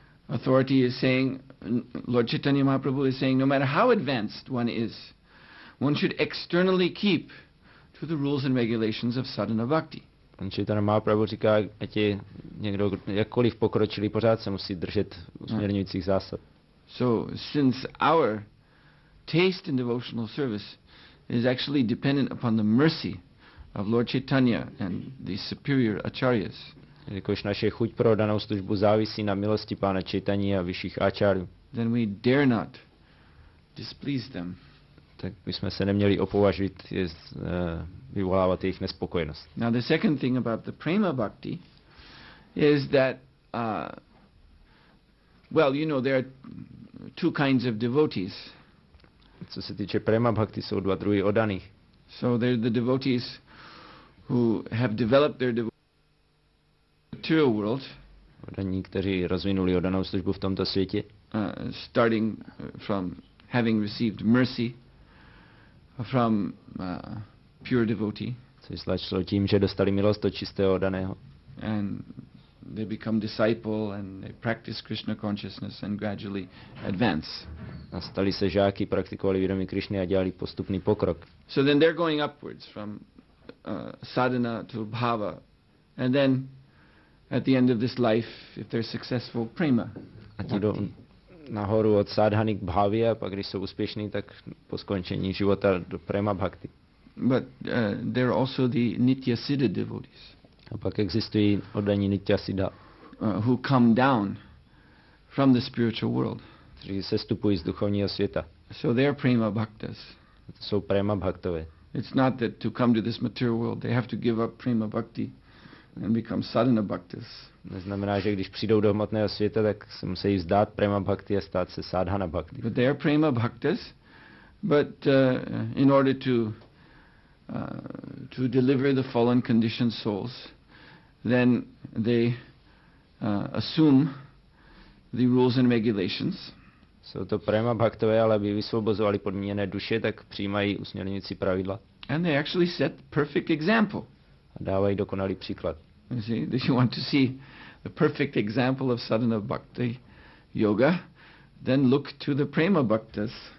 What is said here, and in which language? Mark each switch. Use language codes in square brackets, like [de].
[en] Authority is saying, Lord Chaitanya Mahaprabhu is saying, no matter how advanced one is, one should externally keep to the rules and regulations of sadhana bhakti. [cs] Pan Chaitanya Mahaprabhu říká, ať je někdo jakkoliv pokročilý, pořád se musí držet usměrňujících zásad. [en] So since our taste in devotional service is actually dependent upon the mercy of Lord Chaitanya and the superior acharyas. [cs] Jakož naše chuť pro danou službu závisí na milosti pána Chaitanyi a vyšších acharyů. [en] Then we dare not displease them. [cs] Tak bychom se neměli opovažit vyvolávat jejich nespokojenost. [en] Now the second thing about the prema bhakti is that there are two kinds of devotees. [cs] Co se týče prema bhakti, jsou dva druhy oddaných. [en] So they're the devotees who have developed their material world. [cs] Oddaní, kteří rozvinuli oddanou službu v tomto světě. [en] Starting from having received mercy from pure devotee. [cs] Což začalo tím, že dostali milost od čistého daného. [en] And they become disciple and they practice Krishna consciousness and gradually advance. [cs] A stali se žáky, praktikovali vědomí Krišny a dělali postupný pokrok. [en] So then they're going upwards from sadhana to bhava. And then at the end of this life, if they're successful, prema. [cs] A ti jdou nahoru od sadhany k bhavi a pak když jsou úspěšní, tak po skončení života do prema bhakti. [en] But there are also the nitya siddha devotees. [cs] A pak existují oddaní nitya siddha. [en] Who come down from the spiritual world. [cs] Kteří sestupují z duchovního světa. [en] So they're prema bhaktas. [cs] Jsou prema bhaktové. [en] It's not that to come to this material world, they have to give up prema bhakti and become sadhana bhaktas. [cs] Neznamená, že když přijdou do hmotného světa, tak se musí vzdát prema bhakti a stát se sadhana bhakti. [en] But they are prema bhaktas, but in order to deliver the fallen conditioned souls, then they assume the rules and regulations. [cs] Jsou to prema bhaktové, ale aby vysvobozovali podmíněné duše, tak přijímají usměrňující pravidla. [en] And they actually set perfect example. [cs] A dávají dokonalý příklad. [en] You see, if you want to see the perfect example of sadhana bhakti yoga, then look to the prema bhaktas.